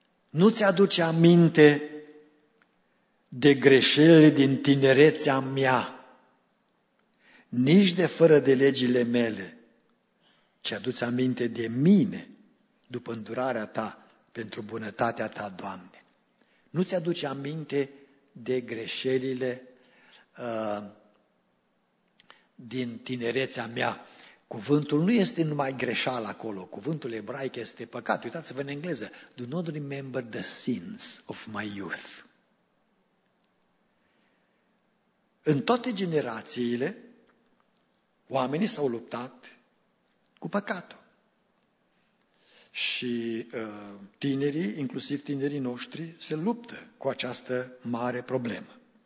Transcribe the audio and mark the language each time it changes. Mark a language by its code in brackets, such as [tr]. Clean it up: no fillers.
[ro] Nu ți-aduce aminte de greșelile din tinerețea mea, nici de fără de legile mele, ci adu-ți aminte de mine după îndurarea ta pentru bunătatea ta, Doamne. Nu ți-aduce aminte de greșelile din tinerețea mea. Cuvântul nu este numai greșeală acolo, cuvântul ebraic este păcat. Uitați-vă în engleză. [en] Do not remember the sins of my youth. [ro] În toate generațiile, oamenii s-au luptat cu păcatul. Și tinerii, inclusiv tinerii noștri, se luptă cu această mare problemă.